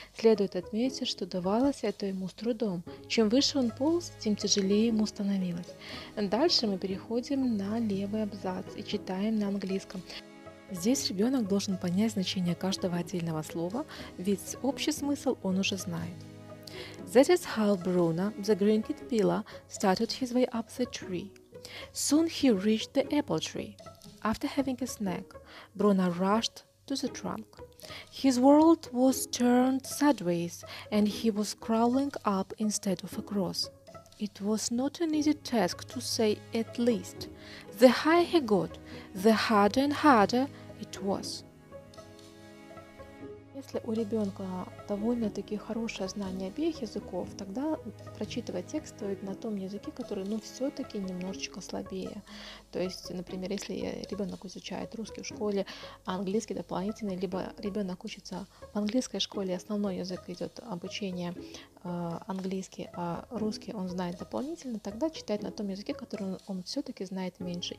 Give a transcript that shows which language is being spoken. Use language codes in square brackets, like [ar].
[ru] Следует отметить, что давалось это ему с трудом. Чем выше он полз, тем тяжелее ему становилось. Дальше мы переходим на левый абзац и читаем на английском. Здесь ребенок должен понять значение каждого отдельного слова, ведь общий смысл он уже знает. [en] That is how Bruno, the green-kid pillar, started his way up the tree. Soon he reached the apple tree. After having a snack, Bruno rushed to the trunk. His world was turned sideways, and he was crawling up instead of across. It was not an easy task to say at least. The higher he got, the harder and harder it was. [ru] Если у ребенка довольно-таки хорошее знание обеих языков, тогда прочитывать текст стоит на том языке, который, ну, все-таки немножечко слабее. То есть, например, если ребенок изучает русский в школе, а английский дополнительный, либо ребенок учится в английской школе, основной язык идет обучение английский, а русский он знает дополнительно, тогда читает на том языке, который он все-таки знает меньше.